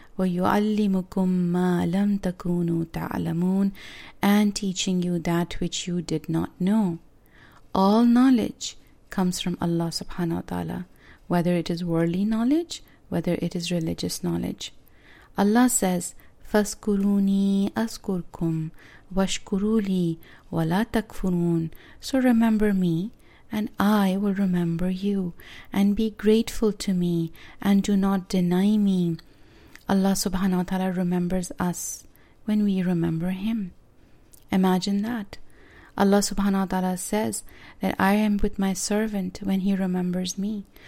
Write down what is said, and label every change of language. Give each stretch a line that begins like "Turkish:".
Arabic: وَيُعَلِّمُكُمْ مَا لَمْ تَكُونُوا تَعْلَمُونَ,
English: and teaching you that which you did not know. All knowledge comes from Allah subhanahu wa ta'ala, whether it is worldly knowledge, whether it is religious knowledge. Allah says,
Arabic: فَاسْكُرُونِي أَسْكُرْكُمْ وَاشْكُرُوا لِي وَلَا تَكْفُرُونَ,
English: so remember me and I will remember you, and be grateful to me, and do not deny me. Allah subhanahu wa ta'ala remembers us when we remember Him. Imagine that. Allah subhanahu wa ta'ala says that I am with my servant when he remembers me.